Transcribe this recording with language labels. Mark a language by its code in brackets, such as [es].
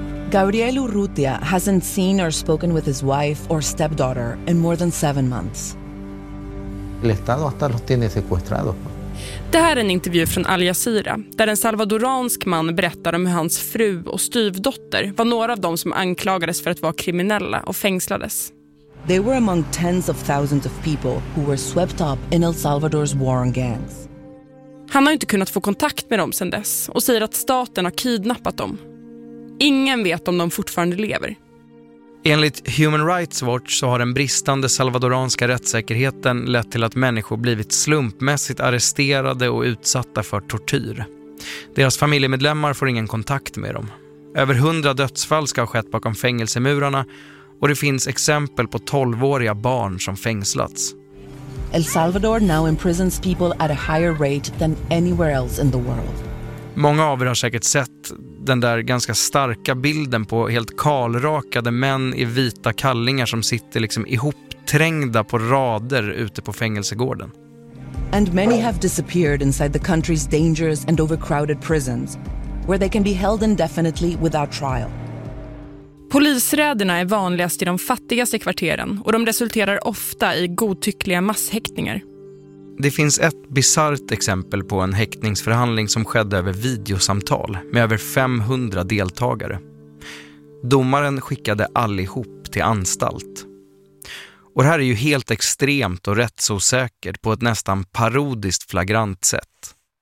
[en] Gabriel Urrutia hasn't seen or spoken with his wife or stepdaughter in more than 7 months. [es] El Estado hasta los tiene secuestrados. [sv] Det här är en intervju från Al Jazeera där en salvadoransk man berättar om hur hans fru och styvdotter var några av dem som anklagades för att vara kriminella och fängslades. [en] They were among tens of thousands of people who were swept up in El Salvador's war on gangs. [sv] Han har inte kunnat få kontakt med dem sedan dess och säger att staten har kidnappat dem. Ingen vet om de fortfarande lever. Enligt Human Rights Watch så har den bristande salvadoranska rättssäkerheten lett till att människor blivit slumpmässigt arresterade och utsatta för tortyr. Deras familjemedlemmar får ingen kontakt med dem. Över 100 dödsfall ska ha skett bakom fängelsemurarna och det finns exempel på 12-åriga barn som fängslats. [en] El Salvador now imprisons people at a higher rate than anywhere else in the world. [sv] Många av er har säkert sett den där ganska starka bilden på helt kalrakade män i vita kallingar som sitter liksom ihopträngda på rader ute på fängelsegården. [en] And many have disappeared inside the country's dangerous and overcrowded prisons where they can be held indefinitely without trial. [sv] Polisräderna är vanligast i de fattigaste kvarteren och de resulterar ofta i godtyckliga masshäktningar. Det finns ett bisarrt exempel på en häktningsförhandling som skedde över videosamtal med över 500 deltagare. Domaren skickade allihop till anstalt. Och det här är ju helt extremt och rättsosäkert på ett nästan parodiskt flagrant sätt.